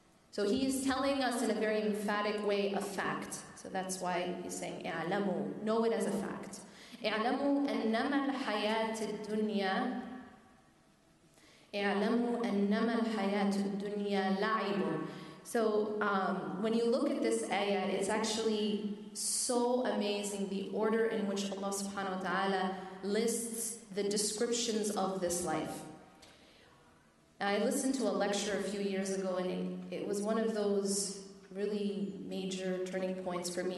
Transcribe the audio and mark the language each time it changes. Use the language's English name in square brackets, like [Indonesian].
[English] So he is telling us in a very emphatic way a fact. So that's why he's saying اعلموا. Know it as a fact. [Arabic] اعلموا أنما الحياة الدنيا، اعلموا أنما الحياة الدنيا لعب. [English] So when you look at this ayah, it's actually so amazing the order in which Allah subhanahu wa ta'ala lists the descriptions of this life. I listened to a lecture a few years ago, and it was one of those really major turning points for me.